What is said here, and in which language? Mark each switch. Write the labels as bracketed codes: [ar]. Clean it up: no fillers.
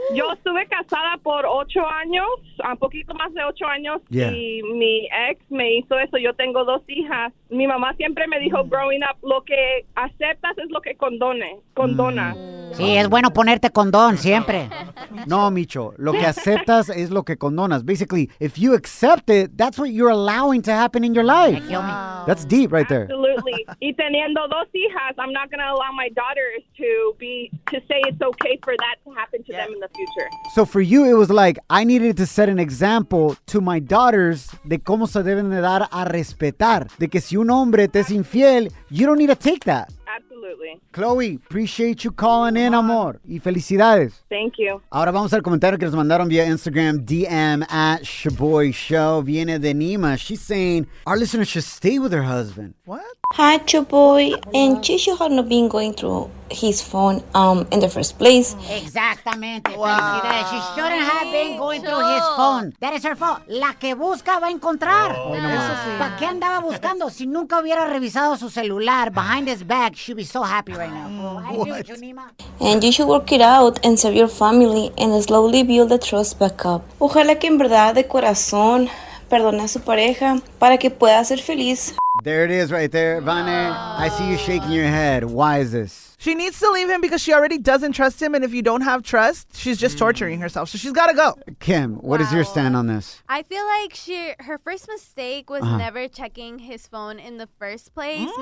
[es] Yo estuve casada por 8 años, un poquito más de 8 años, y mi ex me hizo eso. Yo tengo 2 hijas. Mi mamá siempre me dijo, [en] growing up, [es] lo que aceptas es lo que condona. Sí, es bueno ponerte condón siempre. No, Micho, lo que aceptas es lo que condonas. [en] Basically, if you accept it, that's what you're allowing to happen in your life. Wow. That's deep right there. Absolutely. [es] Y teniendo 2 hijas, [en] I'm not going to allow my daughters to say it's okay for that to happen to them in the future. So for you, it was like, I needed to set an example to my daughters [es] de cómo se deben de dar a respetar. De que si un hombre te es infiel, [en] you don't need to take that. Absolutely. Chloe, appreciate you calling in, amor. [es] Y felicidades. [en] Thank you. [es] Ahora vamos al comentario que nos mandaron via Instagram, DM at Shaboy Show. Viene de Nima. [en] She's saying, our listeners should stay with her husband. What? Hi, Shaboy. And she should have not been going through his phone in the first place. [es] Exactamente. Wow. Felicidades. [en] She shouldn't have been going through his phone. That is her fault. [es] La que busca va a encontrar. ¿Para qué andaba buscando? Si nunca hubiera revisado su celular [en] behind his back, she'd be so happy right now. And you should work it out and serve your family and slowly build the trust back up. [es] Ojalá que en verdad de corazón perdone a su pareja para que pueda ser feliz. [en] There it is right there, Vane. I see you shaking your head. Why is this? She needs to leave him because she already doesn't trust him. And if you don't have trust, she's just torturing herself. So she's got to go. Kim, what is your stand on this? I feel like her first mistake was never checking his phone in the first place. Mm-hmm.